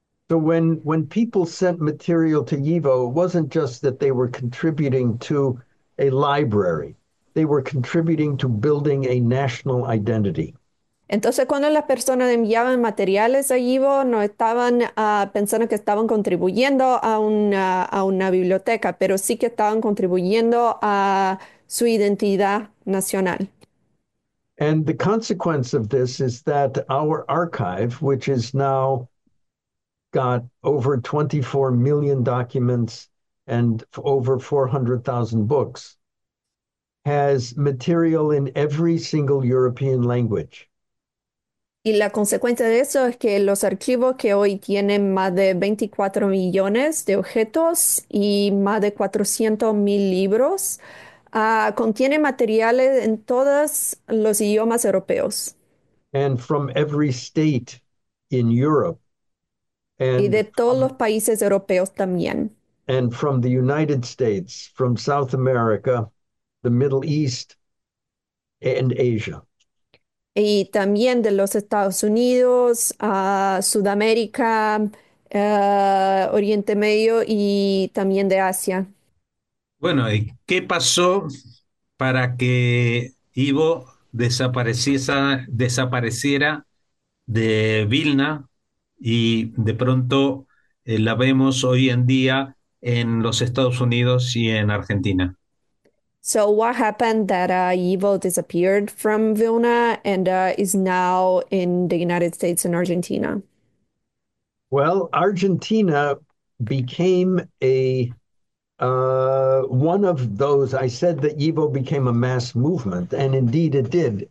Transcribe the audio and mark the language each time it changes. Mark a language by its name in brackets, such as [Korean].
[English] So when people sent material to YIVO, it wasn't just that they were contributing to a library. They were contributing to building a national identity. [Spanish] Entonces, cuando las personas enviaban materiales a YIVO, no estaban pensando que estaban contribuyendo a una biblioteca, pero sí que estaban contribuyendo a su identidad nacional. [English] And the consequence of this is that our archive, which is now got over 24 million documents and over 400,000 books, has material in every single European language. [Spanish] Y la consecuencia de eso es que los archivos que hoy tienen más de 24 millones de objetos y más de 400 mil libros, contienen materiales en todos los idiomas europeos. [English] And from every state in Europe. [Spanish] Y de [English] And [Spanish] todos los países europeos también. [English] from the United States, from South America, the Middle East, and Asia. [Spanish] Y también de los Estados Unidos, Sudamérica, Oriente Medio y también de Asia. Bueno, ¿y qué pasó para que Ivo desapareciera de Vilna? Y de pronto la vemos hoy en día en los Estados Unidos y en Argentina. [English] So what happened that Evo disappeared from Vilna and is now in the United States and Argentina? Well, Argentina became a one of those. I said that YIVO became a mass movement, and indeed it did.